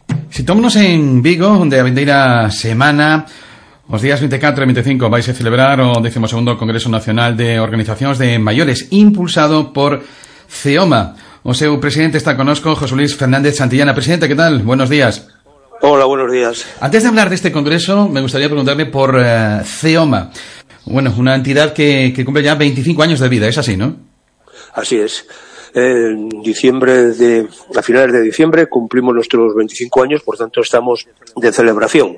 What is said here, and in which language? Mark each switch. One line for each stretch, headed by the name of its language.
Galician: Sitúmonos en Vigo, onde a vindeira semana, os días 24 e 25, vais a celebrar o 12º Congreso Nacional de Organizacións de Maiores, impulsado por CEOMA. O seu presidente está conosco, José Luis Fernández Santillana. Presidente, que tal?
Spanish: Buenos días. Hola, buenos días. Antes de hablar deste congreso, me gustaría preguntarle por CEOMA. Bueno, una entidad que cumple ya 25 años de vida, ¿es así, no? Así es. En diciembre de, a finales de diciembre, cumplimos nuestros 25 años, por tanto estamos de celebración.